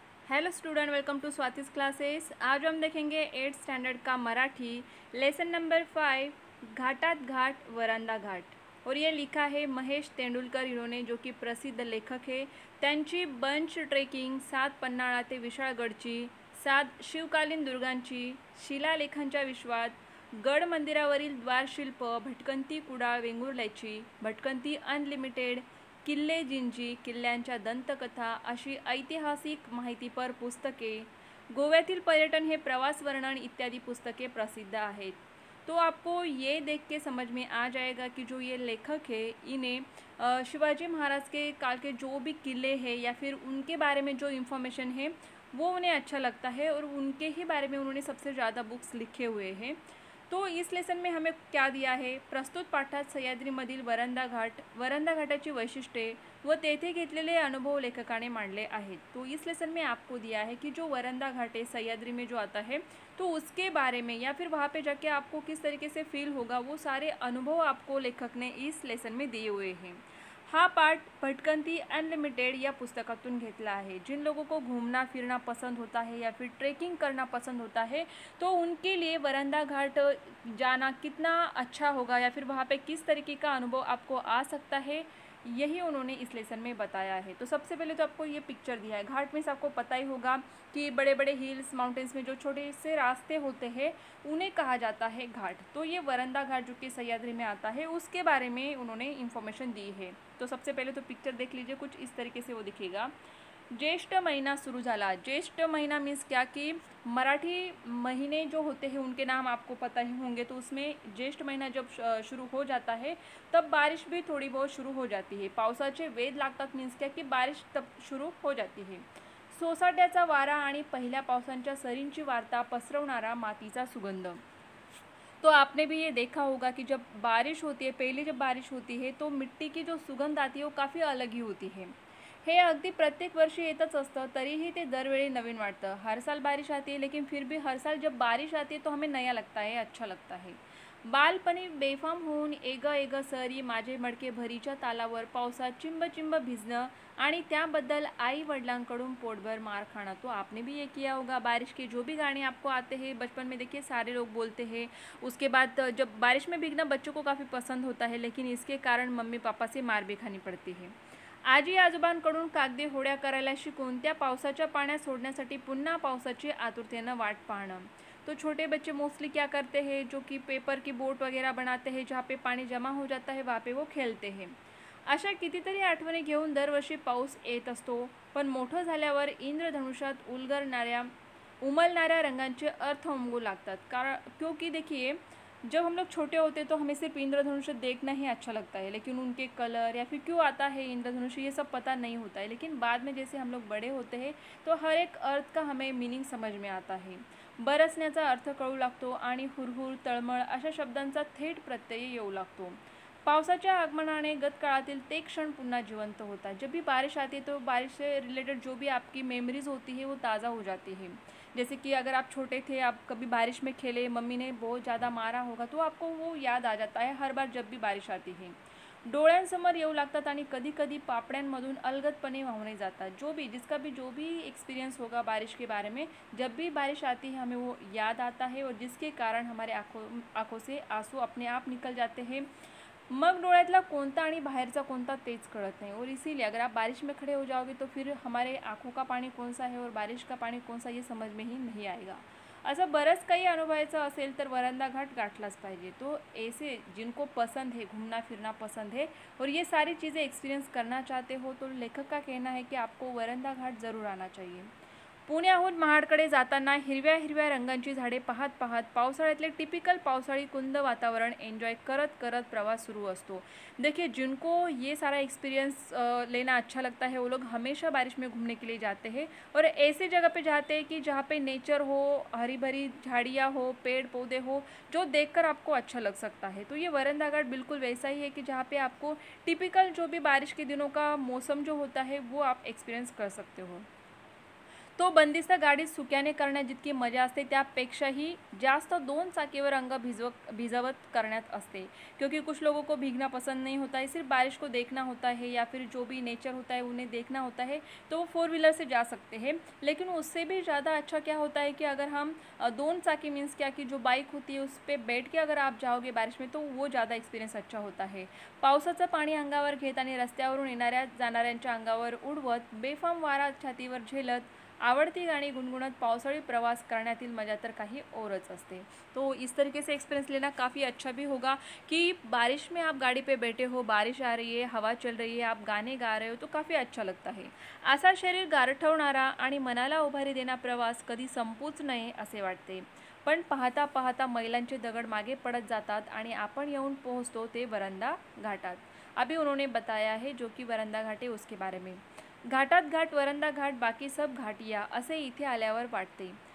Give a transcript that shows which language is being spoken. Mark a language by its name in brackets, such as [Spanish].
[English] Hello student, welcome to Swati's classes. [Hindi] आज हम देखेंगे 8th स्टैंडर्ड का मराठी लेसन नंबर 5, घाटात घाट वरांदा घाट। और ये लिखा है महेश तेंडुलकर इन्होंने, जो कि प्रसिद्ध लेखक है। [Marathi] त्यांची बंच ट्रेकिंग सात पन्नाळा ते विशाळगडची, सात शिवकालीन दुर्गांची, शिलालेखांच्या विश्वात, गड मंदिरावरील द्वारशिल्प, भटकंती कुडाळ वेंगुर्ल्याची, भटकंती अनलिमिटेड, किल्ले जिंजी, किल्ल्यांच्या दंतकथा, अशी ऐतिहासिक माहितीपर पुस्तके, गोव्यातील पर्यटन हे प्रवास वर्णन इत्यादी पुस्तके प्रसिद्ध आहेत। [Hindi] तो आपको ये देख के समझ में आ जाएगा कि जो ये लेखक है, इन्हें शिवाजी महाराज के काल के जो भी किले है या फिर उनके बारे में जो इन्फॉर्मेशन है वो उन्हें अच्छा लगता है, और उनके ही बारे में उन्होंने सबसे ज़्यादा बुक्स लिखे हुए हैं। तो इस लेसन में हमें क्या दिया है, [Marathi] प्रस्तुत पाठात सह्याद्रीमधील वरांदा घाट, वरांदा घाटाची वैशिष्ट्ये व तेथे घेतलेले अनुभव लेखकाने मांडले आहेत। [Hindi] तो इस लेसन में आपको दिया है कि जो वरांदा घाट है सह्याद्री में जो आता है, तो उसके बारे में या फिर वहाँ पे जाके आपको किस तरीके से फील होगा, वो सारे अनुभव आपको लेखक ने इस लेसन में दिए हुए हैं। [Marathi] हा पाठ भटकंती अनलिमिटेड या पुस्तकातून घेतला आहे। [Hindi] जिन लोगों को घूमना फिरना पसंद होता है या फिर ट्रेकिंग करना पसंद होता है, तो उनके लिए वरांदा घाट जाना कितना अच्छा होगा या फिर वहाँ पे किस तरीके का अनुभव आपको आ सकता है, यही उन्होंने इस लेसन में बताया है। तो सबसे पहले तो आपको ये पिक्चर दिया है, घाट में आपको पता ही होगा कि बड़े बड़े हिल्स माउंटेन्स में जो छोटे से रास्ते होते हैं उन्हें कहा जाता है घाट। तो ये वरांदा घाट जो कि सह्याद्री में आता है उसके बारे में उन्होंने इन्फॉर्मेशन दी है। तो सबसे पहले तो पिक्चर देख लीजिए, कुछ इस तरीके से वो दिखेगा। [Marathi] ज्येष्ठ महीना शुरू झाला। [Hindi] ज्येष्ठ महीना मीन्स क्या कि मराठी महीने जो होते हैं उनके नाम आपको पता ही होंगे, तो उसमें ज्येष्ठ महीना जब शुरू हो जाता है तब बारिश भी थोड़ी बहुत शुरू हो जाती है। [Marathi] पावसाचे वेद लागतात [Hindi] मीन्स क्या कि बारिश तब शुरू हो जाती है। [Marathi] सोसाट्याचा वारा आणि पहिल्या पावसांच्या सरींची वार्ता पसरवणारा मातीचा सुगंध। [Hindi] तो आपने भी ये देखा होगा कि जब बारिश होती है, पहले जब बारिश होती है तो मिट्टी की जो सुगंध आती है वो काफ़ी अलग ही होती है। [Marathi] हे अगदी प्रत्येक वर्षी येतच असतं, तरीही ते दरवेळी नवीन वाटतं। [Hindi] हर साल बारिश आती है लेकिन फिर भी हर साल जब बारिश आती है तो हमें नया लगता है, अच्छा लगता है। [Marathi] बालपणी बेफाम होऊन एग एग सरी माझे मडके भरीच्या तालावर पावसात चिंब चिंब भिजणं आणि त्याबद्दल आई वडिलांकडून पोटभर मार खाणं। [Hindi] तो आपने भी ये किया होगा, बारिश के जो भी गाने आपको आते हैं बचपन में देखिए सारे लोग बोलते हैं। उसके बाद जब बारिश में भीगना बच्चों को काफ़ी पसंद होता है लेकिन इसके कारण मम्मी पापा से मार भी खानी पड़ती है। [Marathi] आजी आजोबांकडून कागदी होड्या करायला शिकून त्या पावसाच्या पाण्यात सोडण्यासाठी पुन्हा पावसाची आतुरतेनं वाट पाहणं। [Hindi] तो छोटे बच्चे मोस्टली क्या करते हैं, जो कि पेपर की बोट वगैरह बनाते हैं, जहाँ पे पानी जमा हो जाता है वहाँ पे वो खेलते हैं। [Marathi] अशा कितीतरी आठवणी घेऊन दरवर्षी पाऊस येत असतो, पण मोठं झाल्यावर इंद्रधनुष्यात उमलणाऱ्या रंगांचे अर्थ उमगू लागतात। [Hindi] कारण क्योंकि देखिए, जब हम लोग छोटे होते तो हमें सिर्फ इंद्रधनुष देखना ही अच्छा लगता है, लेकिन उनके कलर या फिर क्यों आता है इंद्रधनुष ये सब पता नहीं होता है। लेकिन बाद में जैसे हम लोग बड़े होते हैं तो हर एक अर्थ का हमें मीनिंग समझ में आता है। [Marathi] बरसण्याचा अर्थ कळू लागतो आणि हुरहुर तळमळ अशा शब्दांचा थेट प्रत्यय येऊ लागतो। पावसाच्या आगमनाने गतकाळातील ते क्षण पुन्हा जिवंत होतात। [Hindi] जब भी बारिश आती है तो बारिश से रिलेटेड जो भी आपकी मेमरीज होती है वो ताज़ा हो जाती है। जैसे कि अगर आप छोटे थे, आप कभी बारिश में खेले, मम्मी ने बहुत ज़्यादा मारा होगा, तो आपको वो याद आ जाता है हर बार जब भी बारिश आती है। [Marathi] डोळ्यांसमोर येऊ लागतात आणि कधी कधी पापड्यांमधून अलगतपणे वाहून जातात। [Hindi] जो भी जिसका भी जो भी एक्सपीरियंस होगा बारिश के बारे में, जब भी बारिश आती है हमें वो याद आता है, और जिसके कारण हमारे आँखों से आंसू अपने आप निकल जाते हैं। [Marathi] मग डोळ्यातला कोणता आणि बाहेरचा कोणता तेज कळत नाही। [Hindi] और इसीलिए अगर आप बारिश में खड़े हो जाओगे तो फिर हमारे आँखों का पाणी कौन सा है और बारिश का पाणी कौन सा ये समझ में ही नहीं आएगा। [Marathi] असं बरंच काही अनुभवायचं असेल तर वरांदा घाट गाठलाच पाहिजे। [Hindi] तो ऐसे जिनको पसंद है घूमना फिरना पसंद है और ये सारी चीज़ें एक्सपीरियंस करना चाहते हो, तो लेखक का कहना है कि आपको वरांदा घाट जरूर आना चाहिए। [Marathi] पुण्याहून महाडकडे जाताना हिरव्या हिरव्या रंगांची झाडे पाहत पाहत पावसाळ्यातले टिपिकल पावसाळी कुंद वातावरण एन्जॉय करत करत प्रवास सुरू असतो। [Hindi] देखिए, जिनको ये सारा एक्सपीरियंस लेना अच्छा लगता है वो लोग हमेशा बारिश में घूमने के लिए जाते हैं, और ऐसे जगह पे जाते हैं कि जहाँ पे नेचर हो, हरी भरी झाड़ियाँ हो, पेड़ पौधे हो, जो देख कर आपको अच्छा लग सकता है। तो ये वरांदा घाट बिल्कुल वैसा ही है कि जहाँ पे आपको टिपिकल जो भी बारिश के दिनों का मौसम जो होता है वो आप एक्सपीरियंस कर सकते हो। [Marathi] तो बंदिस्त गाडी सुक्याने करण्यात जितकी मजा असते त्यापेक्षाही जास्त दोन चाकीवर अंग भिजवत करण्यात असते, [Hindi] क्योंकि कुछ लोगों को भीगना पसंद नहीं होता है, सिर्फ बारिश को देखना होता है या फिर जो भी नेचर होता है उन्हें देखना होता है, तो वो फोर व्हीलर से जा सकते हैं। लेकिन उससे भी ज़्यादा अच्छा क्या होता है कि अगर हम दोन चाकी मीन्स क्या कि जो बाइक होती है उस पर बैठ के अगर आप जाओगे बारिश में, तो वो ज़्यादा एक्सपीरियंस अच्छा होता है। [Marathi] पावसाचं पाणी अंगावर घेत आणि रस्त्यावरून येणाऱ्या जाणाऱ्यांच्या अंगावर उडवत बेफाम वारा छातीवर झेलत आवडती गाणी गुणगुणत पावसाळी प्रवास करण्यातील मजा तर काही औरच असते। [Hindi] तो इस तरीके से एक्सपीरियंस लेना काफ़ी अच्छा भी होगा कि बारिश में आप गाड़ी पे बैठे हो, बारिश आ रही है, हवा चल रही है, आप गाने गा रहे हो, तो काफ़ी अच्छा लगता है। [Marathi] असा शरीर गारठवणारा आणि मनाला उभारी देना प्रवास कधी संपूच नये असे वाटते, पण पाहता पाहता मैलांचे दगड मागे पडत जातात आणि आपण येऊन पोहोचतो ते वरंदा घाटात। [Hindi] अभी उन्होंने बताया है जो कि वरंदा घाट है उसके बारे में। [Marathi] घाटात घाट, वरंदा घाट, बाकी सब घाटिया असे इथे आल्यावर वाटते।